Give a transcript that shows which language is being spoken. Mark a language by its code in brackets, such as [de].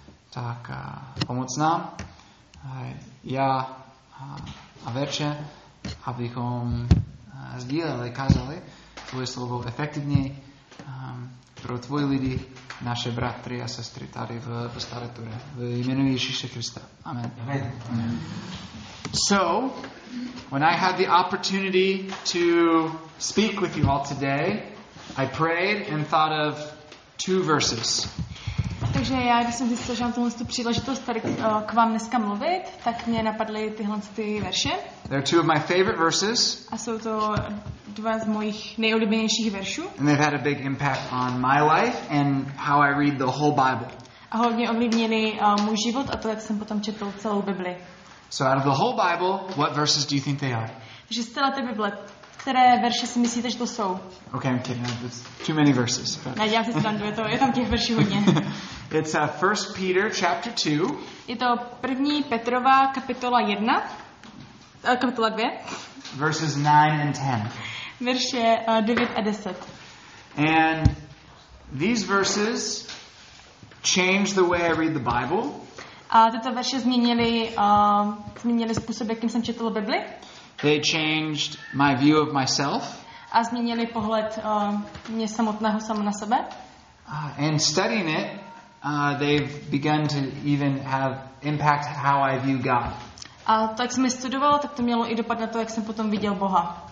[cs] Tak pomoc nám, já a Verče, abychom sdíleli, kázali tvoje slovo efektivněji pro tvoji lidi, naše bratry a sestry tady v Staré Ture. V jménu Ježíše Krista. Amen. Amen. [en] So, when I had the opportunity to speak with you all today, I prayed and thought of two verses. [cs] Takže já, když jsem zjistil, že mám tuhle příležitost tady k vám dneska mluvit, tak mě napadly tyhle verše. [en] They're two of my favorite verses. [cs] A jsou to dva z mojich nejoblíbenějších veršů. [en] And they've had a big impact on my life and how I read the whole Bible. [cs] A hodně ovlivnili můj život a to, jak jsem potom četl celou Bibli. [en] So out of the whole Bible, what verses do you think they are? [cs] Takže z celé té Bible, které verše si myslíte, že to jsou? [en] Okay, I'm kidding. It's too many verses. [cs] Ne, já si srandu, je tam těch verší hodně. [en] It's 1 Peter chapter 2. [cs] Je to 1. Petrova kapitola 1. Kapitola 2. [en] Verses 9 and 10. [cs] Verše 9 a 10. [en] And these verses change the way I read the Bible. [cs] A tyto verše změnily způsob, jakým jsem četl Bibli. [en] They changed my view of myself. [cs] A změnily pohled mě samotného sama na sebe. [en] And studying it, they've begun to even have impact how I view God. [cs] A to, jak jsem je studoval, tak to mělo i dopad na to, jak jsem potom viděl Boha.